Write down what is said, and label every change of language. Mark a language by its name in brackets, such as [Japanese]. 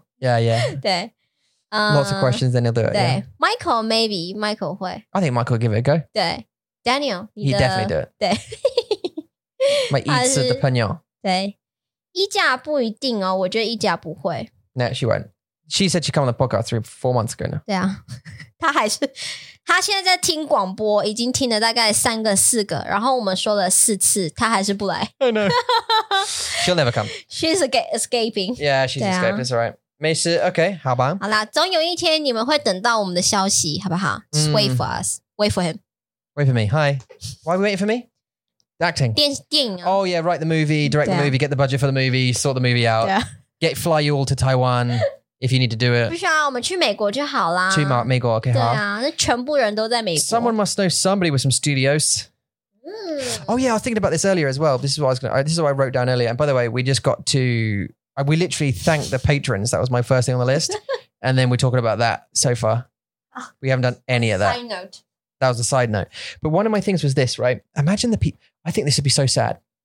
[English] Yeah, yeah. [Chinese] 对、 [English] Lots of questions, then he'll do it. [Chinese] 对、 [English] yeah. [Chinese] ，Michael maybe Michael 会。 [English] I think Michael give it a go. [Chinese] 对 ，Daniel, [English] he definitely do it. [Chinese] 对，My eats 的朋友。对，一家不一定哦，我觉得一家不会。 [English] No, she won't. She said she'd come on the podcast 3-4 months ago now. [Chinese] 对啊。他还是他现在在听广播已经听了大概3-4个然后我们说了4次他还是不来。 [English] I know. She'll never come. She's escaping. Yeah, she's escaping, that's right. [Chinese] 没事 [English] okay, 好吧。 [Chinese] 好啦总有一天你们会等到我们的消息好不好 [English] Just wait for us. Wait for him. Wait for me, hi. Why are we waiting for me? The acting. [Chinese] 电影、啊。 [English] Oh yeah, write the movie, direct the movie, get the budget for the movie, sort the movie out. Get fly you all to Taiwan. If you need to do it. [Chinese] 不需要我们去美国就好啦。去美国 OK 对啊那全部人都在美国。 [English] Someone must know somebody with some studios. Oh yeah, I was thinking about this earlier as well. This is what I wrote down earlier. And by the way, we just got to, we literally thanked the patrons. That was my first thing on the list. And then we're talking about that so far. We haven't done any of that. Side note. That was a side note. But one of my things was this, right? Imagine the people, I think this would be so sad.